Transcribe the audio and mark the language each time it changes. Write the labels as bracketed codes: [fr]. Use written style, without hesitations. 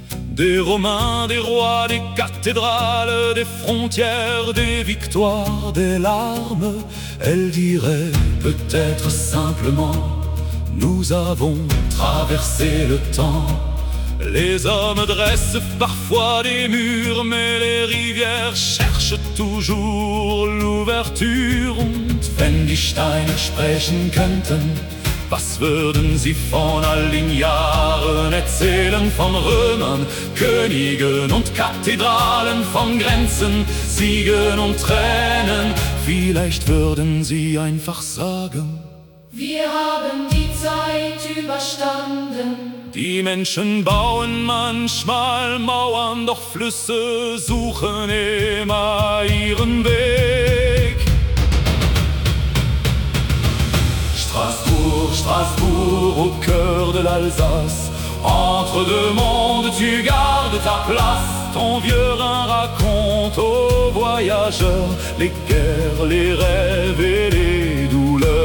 [fr] Des Romains, des rois, des cathédrales, des frontières, des victoires, des larmes. Elle dirait peut-être simplement, nous avons traversé le temps. Les hommes dressent parfois des murs, mais les rivières cherchent toujours l'ouverture. [de] Und wenn die Steine sprechen könnten, was würden sie von all den Jahren erzählen? Von Römern, Königen und Kathedralen, von Grenzen, Siegen und Tränen. Vielleicht würden sie einfach sagen, wir haben die Zeit überstanden. Die Menschen bauen manchmal Mauern, doch Flüsse suchen immer ihren Weg. [fr] Strasbourg, Strasbourg, au cœur de l'Alsace. Entre deux mondes, tu gardes ta place. Ton vieux Rhin raconte aux voyageurs les guerres, les rêves et les douleurs.